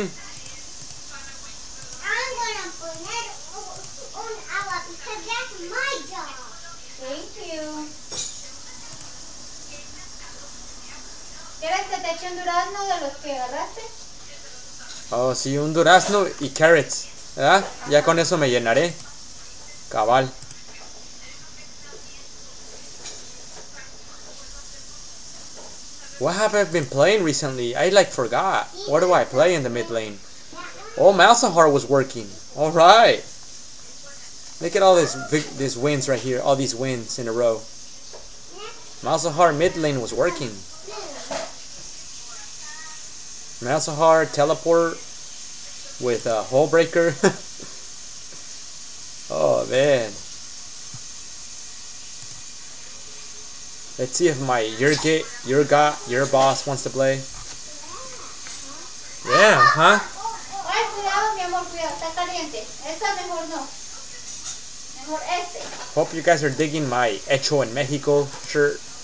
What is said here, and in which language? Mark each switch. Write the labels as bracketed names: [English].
[English] I'm going to [Spanish] poner un agua [English] because that's my job. Thank you. [Spanish] ¿Quieres que te eche un durazno de los que agarraste? Oh, sí, un durazno y carrots. ¿Ah? Ya con eso me llenaré. Cabal. [English] What have I been playing recently? I like forgot. What do I play in the mid lane? Oh, Malzahar was working. All right. Look at all these wins right here. All these wins in a row. Malzahar mid lane was working. Malzahar teleport with a hullbreaker. Oh man. Let's see if my your boss wants to play. Yeah, huh? [Spanish] Ay, cuidado, mi amor, cuidado, está caliente. Esta mejor no. Mejor este. [English] Hope you guys are digging my Echo in Mexico shirt.